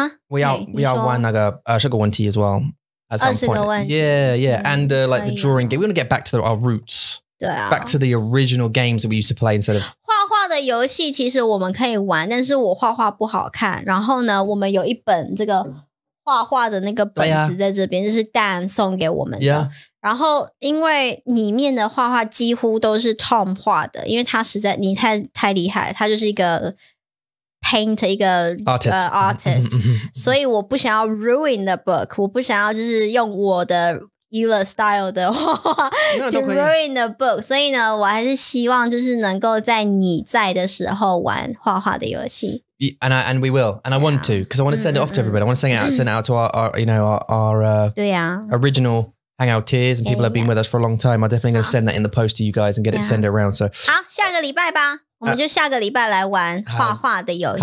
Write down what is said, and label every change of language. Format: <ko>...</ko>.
<en>We are one 那个20个问题 as well. At some point. Yeah, yeah. And like the drawing game. We want to get back to our roots. back to the original games that we used to play instead of</en> <zh>画画的游戏其实我们可以玩, 但是我画画不好看, 然后呢, 我们有一本这个, 画画的那个本子在这边, 就是Dan送给我们的,</zh> <en>yeah.</en> <zh>然后因为里面的画画几乎都是Tom画的, 因为他实在, 你太厉害, 他就是一个 painter, 一个</zh> <en>artist,</en> <zh>artist 所以我不想要 ruin the book, 我不想要就是用我的 Euler style的话 to ruin the book 所以呢 我还是希望就是能够在你在的时候玩画画的游戏</zh> <en>And I, and we will And I want to Because I want to send it off to everybody I want to send it out to our You know our</en> <zh>对啊</zh> <en>Original hangouteers And people have been with us for a long time I'm definitely going to send that in the post to you guys And get it send it around so</en> <zh>好下个礼拜吧 我们就下个礼拜来玩画画的游戏</zh>